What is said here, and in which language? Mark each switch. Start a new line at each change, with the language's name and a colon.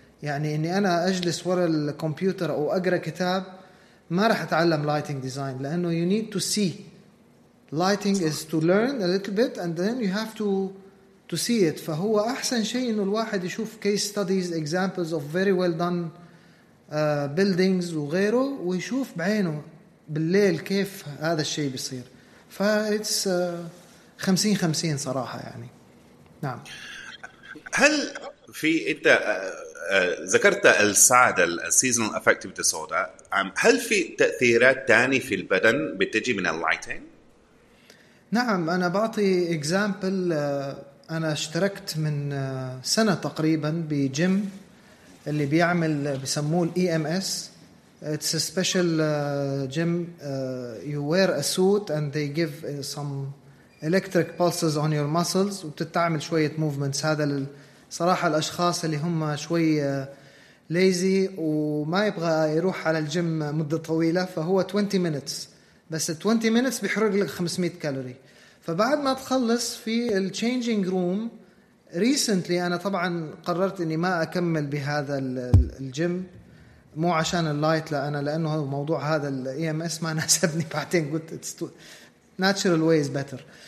Arabic: يعني أني أنا أجلس وراء الكمبيوتر أو أقرأ كتاب ما رح أتعلم lighting design، لأنه
English: you need to see. Lighting is to learn a little bit and then you have to see it.
Arabic: فهو أحسن شيء إنه الواحد يشوف
English: case studies, examples of very well done buildings
Arabic: وغيره، ويشوف بعينه بالليل كيف هذا الشيء بيصير. فإتس 50-50 صراحة يعني. نعم. هل في أنت ذكرت السعادة seasonal affective disorder، هل في تأثيرات تاني في البدن بتجي من اللايتين؟ نعم، أنا بعطي example. أنا اشتركت من سنة تقريبا بجيم اللي بيعمل بسموه الـ EMS.
English: It's a special gym. You wear a suit and they give some electric pulses on your muscles
Arabic: وبتتعمل شوية
English: movements.
Arabic: هذا صراحة الأشخاص اللي هم شوي ليزي وما يبغى يروح على الجيم مدة طويلة، فهو 20 minutes بس، 20 minutes بيحرق لك 500 كالوري. فبعد ما تخلص في changing room recently، أنا طبعا قررت أني ما أكمل بهذا الجيم، مو عشان اللايت، لا أنا لأنه موضوع هذا الـ EMS ما ناسبني، بعدين قلت
English: it's natural ways better.